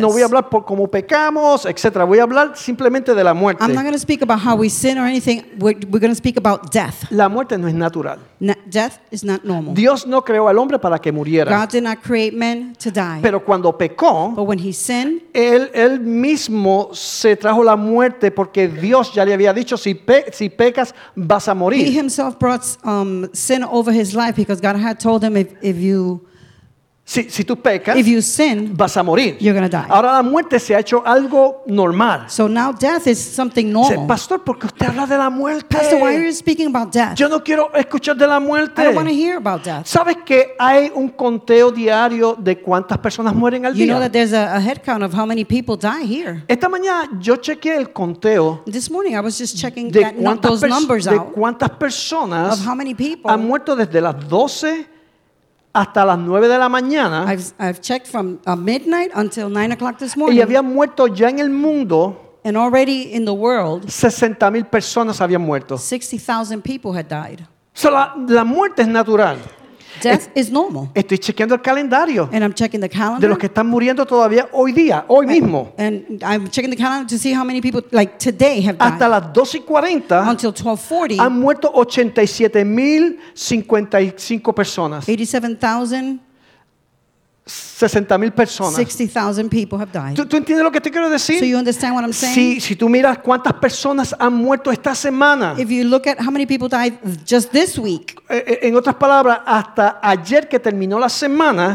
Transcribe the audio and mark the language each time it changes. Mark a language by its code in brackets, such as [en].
[es] No voy a hablar por cómo pecamos, etcétera. Voy a hablar simplemente de la muerte. [en] I'm not going to speak about how we sin or anything. We're going to speak about death. [es] La muerte no es natural. [en] Death is not normal. [es] Dios no creó al hombre para que muriera. [en] God did not create men to die. [es] Pero cuando pecó, [en] but when he sinned, [es] él mismo se trajo la muerte porque Dios ya le había dicho si pecas vas a morir. [en] He himself brought sin over his life because God had told him if you sin, [es] vas a morir. [en] You're going to die. [es] Ahora la muerte se ha hecho algo normal. [en] So now death is something normal. [es] Pastor, ¿por qué usted habla de la muerte? [en] Pastor, why are you speaking about death? [es] Yo no quiero escuchar de la muerte. [en] I don't want to hear about death. [es] ¿Sabes que hay un conteo diario de cuántas personas mueren al día? [en] You know that there's a head count of how many people die here. [es] Esta mañana yo chequeé el conteo. [en] This morning I was just checking those numbers out. [es] De cuántas personas han muerto desde las 12 hasta las 9 de la mañana. [en] I've checked from midnight until 9 o'clock this morning. [es] Y habían muerto ya en el mundo. [en] And already in the world, [es] 60,000 personas habían muerto. [en] 60,000 people had died. [es] So la muerte es natural. [en] Death is normal. [es] Estoy chequeando el calendario. [en] And I'm checking the calendar. [es] De los que están muriendo todavía hoy día, hoy mismo. [en] And I'm checking the calendar to see how many people, like today, have died. [es] Hasta las 12:40. [en] Until 12:40. [es] Han muerto 87,055 personas. [en] 87,000. [es] 60,000 personas. [en] 60,000 people have died. [es] ¿Tú entiendes lo que te quiero decir? [en] So you understand what I'm saying? [es] Si tú miras cuántas personas han muerto esta semana. [en] If you look at how many people died just this week. [es] En otras palabras, hasta ayer que terminó la semana.